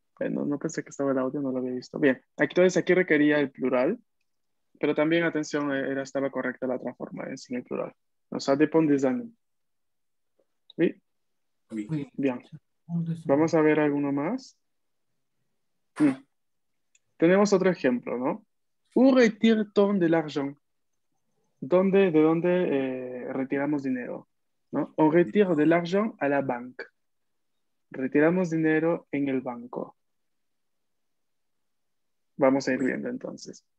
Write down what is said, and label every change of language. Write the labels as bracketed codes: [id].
[es] Bueno, no pensé que estaba el audio, no lo había visto. Bien, aquí requería el plural, pero también, atención, estaba correcta la otra forma, sin el plural. O sea, depende de examen. ¿Sí? Bien. Vamos a ver alguno más. Sí. Tenemos otro ejemplo, ¿no? [fr] Où retire-t-on de l'argent? [es] ¿De dónde retiramos dinero? ¿No? [fr] On retire de l'argent à la banque. [es] Retiramos dinero en el banco. Vamos a ir viendo entonces.